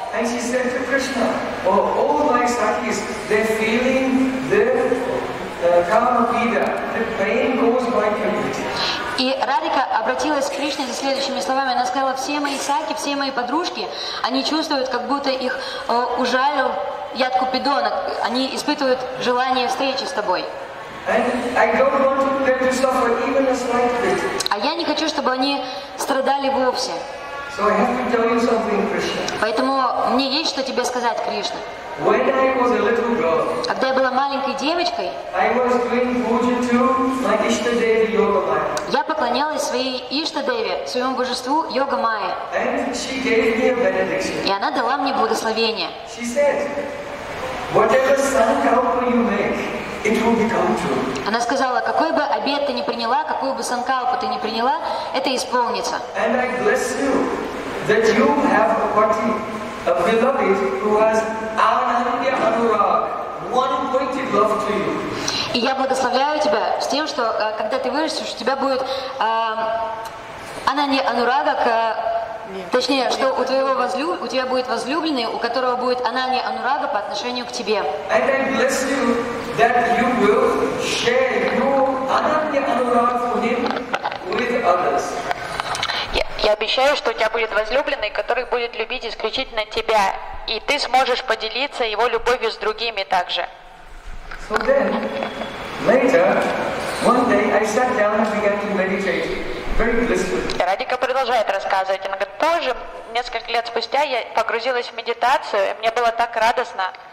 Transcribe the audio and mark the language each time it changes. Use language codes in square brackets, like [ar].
[en] And she said to Krishna, oh, all my sakis, they're feeling the karma vida, the pain goes by completely. [ru] И Радика обратилась к Кришне за следующими словами. Она сказала, все мои саки, все мои подружки, они чувствуют, как будто их ужалил яд Купидона. Они испытывают желание встречи с тобой. [en] And I don't want them to suffer even a slight bit. [ru] А я не хочу, чтобы они страдали вовсе. [en] So I have to tell you something, Krishna. [ru] Поэтому мне есть что тебе сказать, Кришна. [en] When I was a little girl, [ru] когда я была маленькой девочкой, [en] I was doing puja to my Ishta Devi Yoga Maya. [ru] Я поклонялась своей Ишта Деви, своему божеству Йога Майя. [en] And she gave me a benediction. [ru] И она дала мне благословение. [en] She said, whatever sankalpa you make, it will become true. [ru] Она сказала, какой бы обет ты ни приняла, какую бы санкалпу ты ни приняла, это исполнится. [en] And I bless you that you have a party, a beloved who has Ananya Anurag, one pointed love to you. [ru] И я благословляю тебя с тем, что когда ты вырастешь, у тебя будет Ананья Анурага к. Точнее, что у твоего у тебя будет возлюбленный, у которого будет Ананья Анурага по отношению к тебе. [en] And I bless you that you will share your Ananya Anurag for him with others. [ru] Я обещаю, что у тебя будет возлюбленный, который будет любить исключительно тебя, и ты сможешь поделиться его любовью с другими также. [en] So then, later, one day I sat down and began to meditate. [ru] Радика продолжает рассказывать. Она говорит, позже, несколько лет спустя, я погрузилась в медитацию, и мне было так радостно.